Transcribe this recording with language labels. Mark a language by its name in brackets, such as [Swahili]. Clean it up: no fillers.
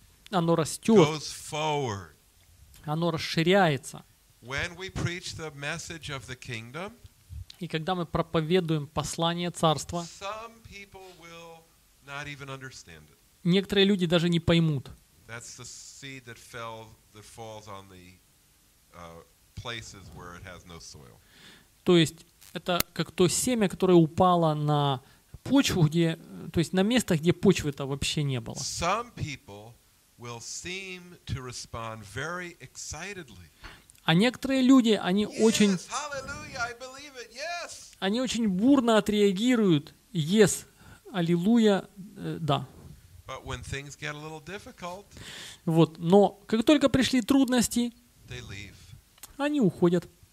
[Russian] оно растет. [English] Goes forward. [Russian] Оно расширяется. [English] When we preach the message of the kingdom, [Russian] и когда мы проповедуем послание Царства, [English] some people will not even understand it. [Russian] Некоторые люди даже не поймут. [English] That's the seed that fell, that falls on the places where it has no soil. [Russian] То есть это как то семя, которое упало на почву, где, то есть на место, где почвы-то вообще не было. [English] Some people will seem to respond very excitedly. [Russian] А некоторые люди, они [English] yes, [Russian] очень [English] hallelujah, I believe it, yes. [Russian] Они очень бурно отреагируют. [English] Yes, [Russian] аллилуйя, да. [English] But when things get a little difficult, [Russian] вот, но как только пришли трудности, [English] they leave. [Russian] Они уходят.